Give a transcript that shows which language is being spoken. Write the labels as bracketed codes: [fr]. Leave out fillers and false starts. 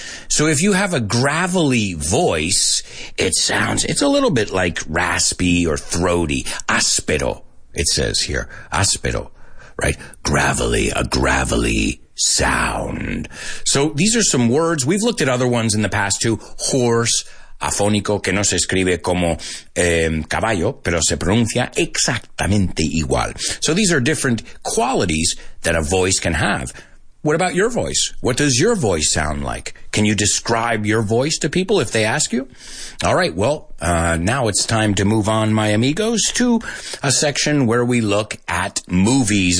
[en] So if you have a gravelly voice, it's a little bit like raspy or throaty, áspero. It says here, áspero, right? Gravelly, a gravelly sound. So these are some words. We've looked at other ones in the past too. [es] Horse, afónico, que no se escribe como caballo, pero se pronuncia exactamente igual. [en] So these are different qualities that a voice can have. What about your voice? What does your voice sound like? Can you describe your voice to people if they ask you? All right, well, now it's time to move on, my amigos, to a section where we look at movies.